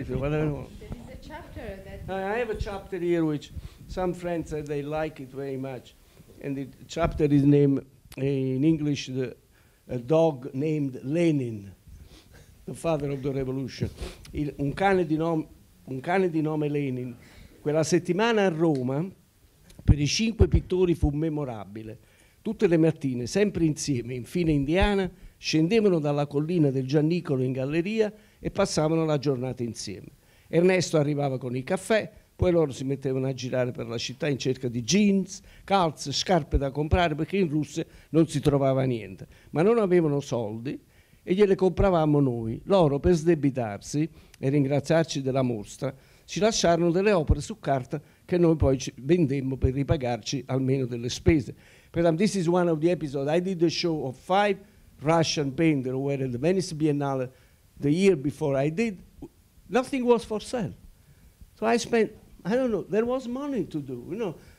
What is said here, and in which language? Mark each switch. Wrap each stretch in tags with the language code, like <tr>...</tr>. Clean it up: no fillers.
<en>There is a chapter that I have a chapter here which some friends said they like it very much, and the chapter is named in English the a dog named Lenin, the father of the revolution.</en> <it>Un cane di nome Lenin. Quella settimana a Roma per i cinque pittori fu memorabile. Tutte le mattine, sempre insieme, in fine indiana, scendevano dalla collina del Giannicolo in galleria e passavano la giornata insieme. Ernesto arrivava con il caffè, poi loro si mettevano a girare per la città in cerca di jeans, calze, scarpe da comprare, perché in Russia non si trovava niente. Ma non avevano soldi e gliele compravamo noi. Loro, per sdebitarsi e ringraziarci della mostra, ci lasciarono delle opere su carta che noi poi ci vendemmo per ripagarci almeno delle spese.</it> <en>This is one of the episodes. I did a show of five Russian painters who were at the Venice Biennale the year before I did. Nothing was for sale. So I spent, I don't know, there was money to do, you know.</en>